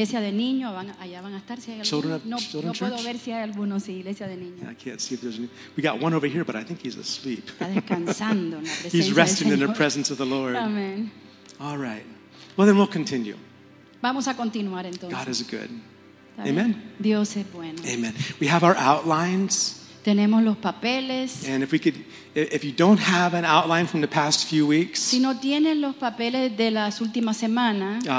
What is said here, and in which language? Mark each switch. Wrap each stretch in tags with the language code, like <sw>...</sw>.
<es>Iglesia de niños, allá van a estar si hay algunos.</es> <en>Children of,</en> <es>no,</es> <en>children</en> <es>no puedo ver si hay algunos, sí, iglesia de niños.</es> <en>I can't see if there's any. We got one over here, but I think he's asleep.</en> <es>Está descansando en la presencia.</es> <en>He's resting in the presence of the Lord. Amen. All right. Well, then we'll continue.</en> <es>Vamos a continuar entonces.</es> <en>God is good. Amen.</en> <es>Dios es bueno.</es> <en>Amen. We have our outlines.</en> <es>Tenemos los papeles.</es> <en>And if we could, if you don't have an outline from the past few weeks,</en> <es>si no tienes los papeles de las últimas semanas,</es>